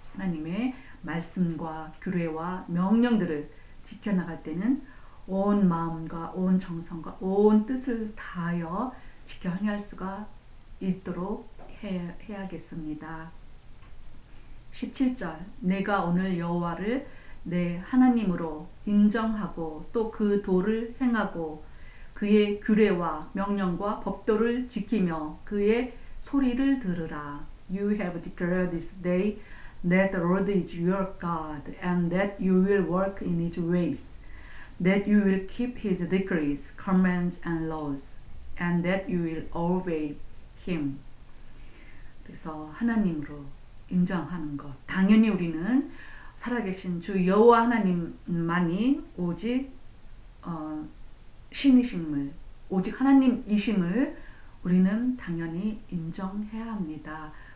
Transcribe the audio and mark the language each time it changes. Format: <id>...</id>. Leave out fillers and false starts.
<ko>하나님의 말씀과 규례와 명령들을 지켜나갈 때는 온 마음과 온 정성과 온 뜻을 다하여 지켜 행할 수가 있도록 해야겠습니다. 17절, 내가 오늘 여호와를 내 하나님으로 인정하고 또그 도를 행하고 그의 규례와 명령과 법도를 지키며 그의 소리를 들으라.</ko> <en>You have declared this day that the Lord is your God and that you will walk in his ways. That you will keep his decrees, commands and laws, and that you will obey him.</en> <ko>그래서 하나님으로 인정하는 것. 당연히 우리는 살아계신 주 여호와 하나님만이 오직 신이심을, 오직 하나님이심을 우리는 당연히 인정해야 합니다.</ko>